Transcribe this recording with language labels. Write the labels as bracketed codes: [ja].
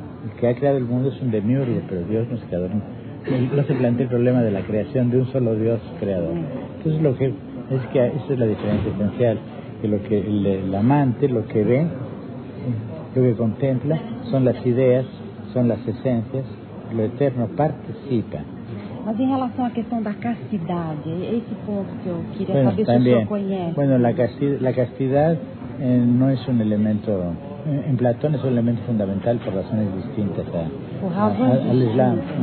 [es] El que ha creado el mundo es un demiurgo, pero Dios no es creador. No se plantea el problema de la creación de un solo Dios creador. Entonces lo que es que esa es la diferencia esencial, que lo que el amante lo que ve, lo que contempla son las ideas, son las esencias, lo eterno participa. [pt] Mas em relação à questão da castidade, esse ponto que eu queria [es] bueno, saber también, [pt] se o senhor conhece. [es] Bueno, la castidad no es un elemento, en Platón es un elemento fundamental por razones distintas al Islam.